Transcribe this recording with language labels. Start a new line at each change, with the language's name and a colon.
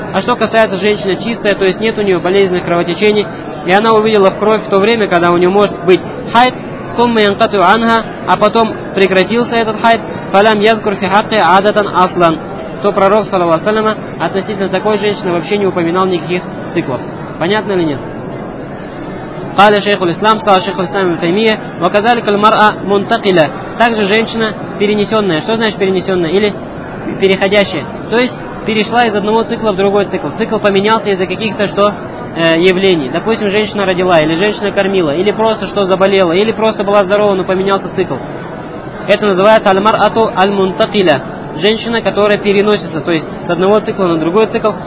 Russian: А что касается женщины чистая, то есть нет у нее болезненных кровотечений, и она увидела в кровь в то время, когда у нее может быть хайд,
Arabic: сумма янкатю анга,
Russian: а потом прекратился этот хайд,
Arabic: фалям язкур фихакте адатан аслан,
Russian: то пророк саласам относительно такой женщины вообще не упоминал никаких циклов. Понятно или нет?
Arabic: قال شيخ الإسلام قال شيخ الإسلام ابن تيمية وكذلك المرأة منتقلة
Russian: также женщина перенесенная. Что значит перенесенная или переходящая? То есть перешла из одного цикла в другой цикл. Цикл поменялся из-за каких-то что явлений. Допустим, женщина родила или женщина кормила или просто что заболела или просто была здорова, но поменялся цикл. Это называется аль-мар'ату аль-мунтакиля. Женщина, которая переносится, то есть с одного цикла на другой цикл.